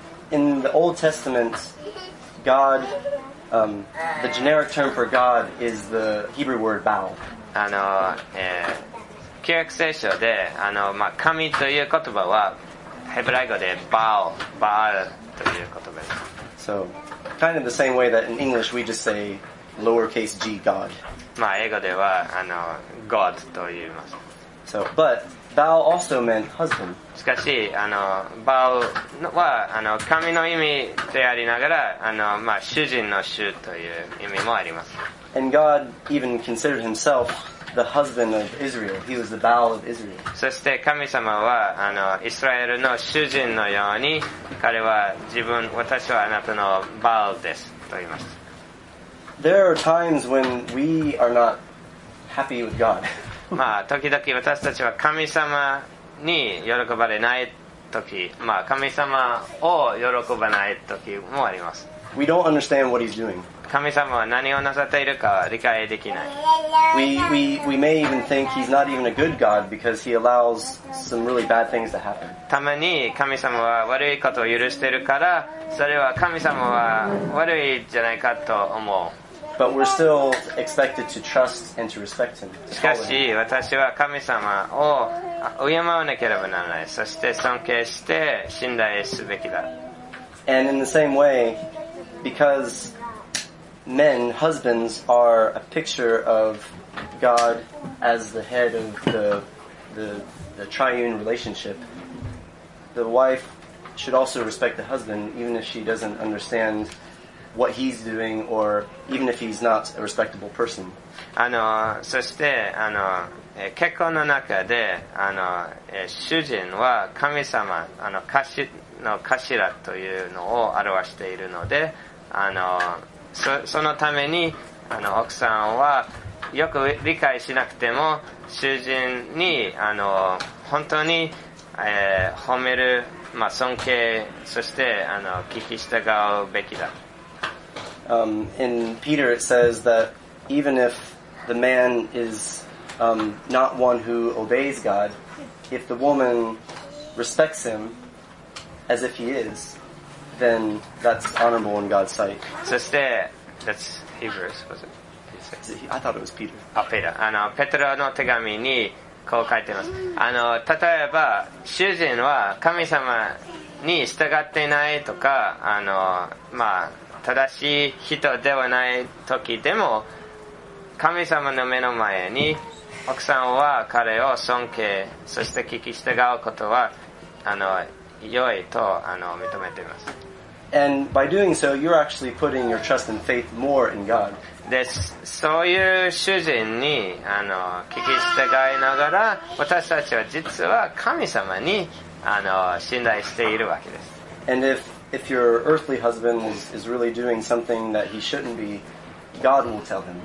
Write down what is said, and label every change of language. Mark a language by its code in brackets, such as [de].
[en] In the Old Testament, God, the generic term for God is the Hebrew word Baal. [ja] あの、旧約聖書で、あの、まあ、神という言葉はヘブライ語でバールという言葉です。 [en] So, kind of the same way that in English we just say lowercase g God. [ja] まあ、英語ではあの God と言います。 [en] So, but. Baal also meant husband. [ja] しかし、あの、Baal は、あの、神の意味でありながら、あの、まあ、主人の主という意味もあります。 [en] And God even considered himself the husband of Israel. He was the Baal of Israel. [ja] そして神様は、あの、イスラエルの主人のように、彼は自分、私はあなたの Baal です、と言います。 [en] There are times when we are not happy with God. [ja] まあ、時々私たちは神様に喜ばれない時、まあ、神様を喜ばない時もあります。 [en] We don't understand what he's doing. [ja] 神様は何をなさっているかは理解できない。 [en] We may even think he's not even a good God because he allows some really bad things to happen. [ja] たまに神様は悪いことを許しているから、それは神様は悪いじゃないかと思う。 [en] But we're still expected to trust and to respect him. [ja] しかし、私は神様を敬わなければならない。そして尊敬して信頼すべきだ。 [en] And in the same way, because men, husbands are a picture of God as the head of the triune relationship, the wife should also respect the husband, even if she doesn't understand. What he's doing, or even if he's not a respectable person. [ja] そして結婚の中で主人は神様の頭というのを表しているので、そのために奥さんはよく理解しなくても主人に本当に、褒める、まあ、尊敬そして聞き従うべきだ。 [en] In Peter it says that even if the man is not one who obeys God, if the woman respects him as if he is, then that's honorable in God's sight. [ja] そして、 [en] that's Hebrews, was it? I thought it was Peter. [ja] あ、ペテロ。ペテロの手紙にこう書いてます。例えば、主人は神様に従っていないとか、まあ、正しい人ではない時でも神様の目の前に奥さんは彼を尊敬そして聞き従うことは良いと認めています。 [en] And by doing so, you're actually putting your trust and faith more in God. [ja] で、そういう主人に聞き従いながら私たちは実は神様に信頼しているわけです。 [en] And if your earthly husband is really doing something that he shouldn't be, God will tell him.